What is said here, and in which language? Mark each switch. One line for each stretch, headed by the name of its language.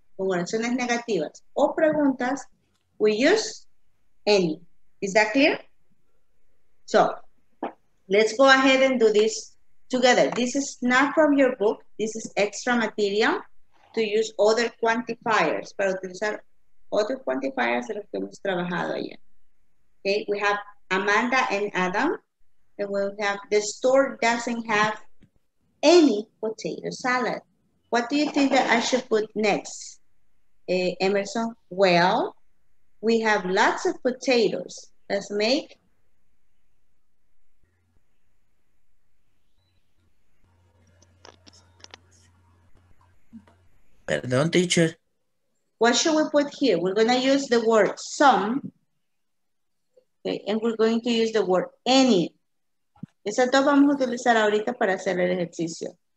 Spanish: Con oraciones negativas o preguntas,
English: we use any. Is that clear? So, let's go ahead and do this together. This is not from your book. This is extra material to use other quantifiers.
Spanish: Para utilizar otros quantifiers de los que hemos trabajado ayer.
English: Okay, we have Amanda and Adam. And we have the store doesn't have any potato salad. What do you think that I should put next? Emerson, well, we have lots of potatoes. Let's make...
Spanish: Perdón, teacher.
English: What should we put here? We're going to use the word some. Okay, and we're going to use the word any.
Spanish: Esas dos vamos a utilizar ahorita para hacer el ejercicio.